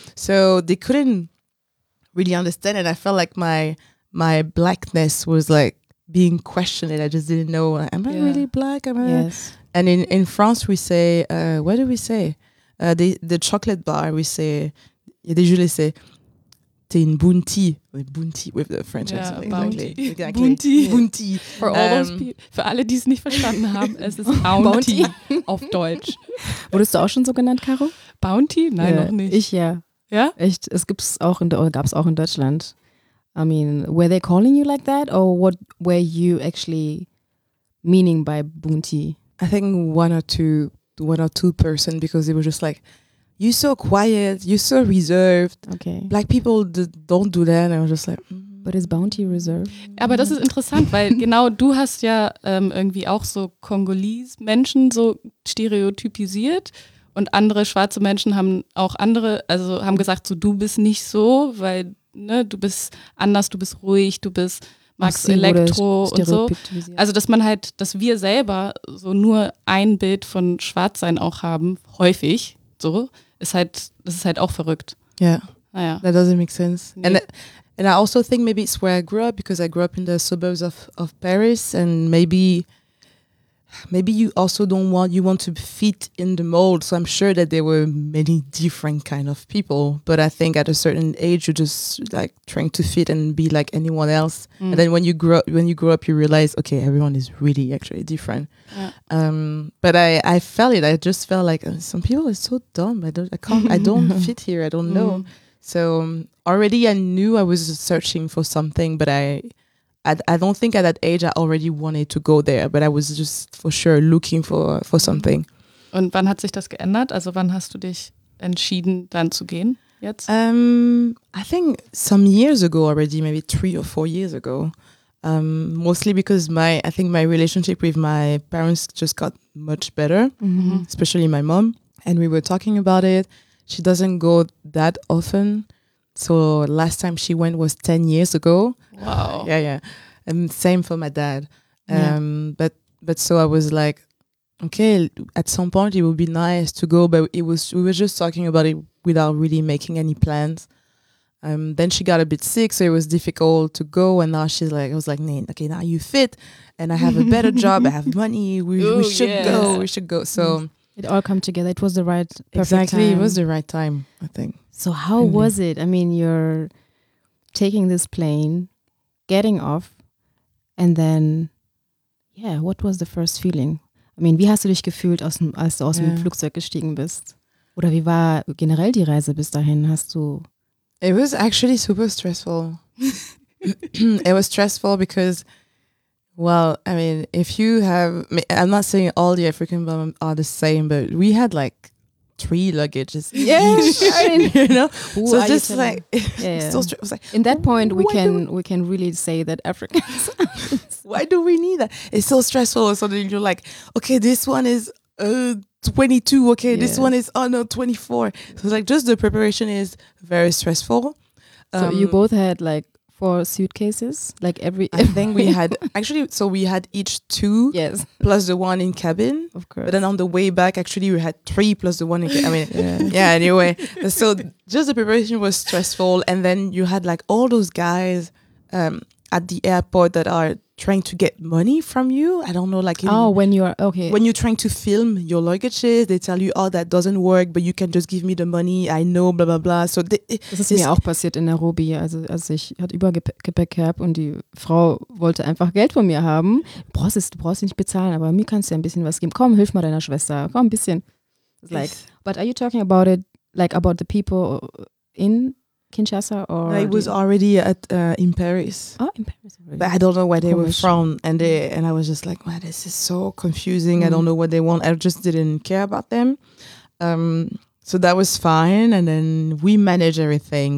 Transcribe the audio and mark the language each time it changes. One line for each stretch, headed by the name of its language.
English: So they couldn't really understand it. I felt like my blackness was like being questioned. I just didn't know, am I really black? Am I? Yes. And in France, we say, what do we say? The chocolate bar, we say, usually say,
French: t'es une bounty.
English: Bounty with the French accent. Yeah, bounty. Exactly. Bounty. Bounty. For all those people,
German: für alle, die es nicht verstanden haben, es ist Bounty auf Deutsch. Wurdest du auch schon so genannt, Caro? Bounty? Nein, noch nicht. Ich ja. Ja? Echt, es gab es auch in Deutschland.
English: I mean, were they calling you like that or what were you actually meaning by bounty? I think one or two person, because it was just like, you're so quiet, you're so reserved. Okay. Black people don't do that. And I was just like, But is bounty reserved?
German: Aber das ist interessant, weil genau du hast ja irgendwie auch so Kongolese Menschen so stereotypisiert. Und andere schwarze Menschen haben auch andere, also haben gesagt, so du bist nicht so, weil ne, du bist anders, du bist ruhig, du bist magst Elektro und so. Also dass man halt, dass wir selber so nur ein Bild von Schwarzsein auch haben, häufig so, ist halt, das ist halt auch verrückt.
English: Yeah.
German: Naja.
English: That doesn't make sense. Nee. And I also think maybe it's where I grew up, because I grew up in the suburbs of Paris and maybe you also want to fit in the mold. So I'm sure that there were many different kind of people. But I think at a certain age, you're just like trying to fit and be like anyone else. Mm. And then when you grow up, you realize, okay, everyone is really actually different. Yeah. But I felt it. I just felt like some people are so dumb. I don't fit here. I don't know. So already I knew I was searching for something, but I don't think at that age I already wanted to go there, but I was just for sure looking for something.
German: Und wann hat sich das geändert? Also wann hast du dich entschieden, dann zu gehen jetzt?
English: I think some years ago already, maybe 3 or 4 years ago. Mostly because my relationship with my parents just got much better, especially my mom. And we were talking about it. She doesn't go that often. So last time she went was 10 years ago. Wow. Yeah. And same for my dad. But so I was like, okay, at some point it would be nice to go, but we were just talking about it without really making any plans. Then she got a bit sick, so it was difficult to go. And now she's like, I was like, Nate, okay, now you fit and I have a better job. I have money. We should go. So it all come together. It was the right, perfect exactly, time. It was the right time, I think. So how was it? I mean, you're taking this plane, getting off, and then, yeah, what was the first feeling?
German: I mean, wie hast du dich gefühlt, als du aus dem Flugzeug gestiegen bist? Oder wie war generell die Reise bis dahin? Hast du?
English: It was actually super stressful. It was stressful because, well, I mean, if you have, I'm not saying all the African women are the same, but we had like 3 luggages. Yeah, each, you know. Ooh, so just like, In that point, we can really say that Africans. Why do we need that? It's so stressful. So then you're like, okay, this one is 22. Okay, yeah. This one is 24. So like, just the preparation is very stressful. So you both had like 4 suitcases. Like every thing we had actually. So we had each 2. Yes. Plus the one in cabin. Of course. But then on the way back, actually, we had 3 plus the one in cabin. I mean, yeah. Anyway, so just the preparation was stressful, and then you had like all those guys at the airport that are trying to get money from you. I don't know, like, when you're trying to film your luggages, they tell you, oh, that doesn't work, but you can just give me the money, I know, blah blah blah. So
German: das ist mir auch passiert in Nairobi, also als ich hatte Übergepäck gehabt und die Frau wollte einfach Geld von mir haben. Du brauchst nicht bezahlen, aber mir kannst du ein bisschen was geben, komm, hilf mal deiner Schwester, komm, ein bisschen.
English: It's like, but are you talking about it like about the people in Kinshasa or it was already at in Paris. Oh, in Paris already. But I don't know where they were from, and I was just like, wow, this is so confusing. I don't know what they want. I just didn't care about them. So that was fine, and then we managed everything.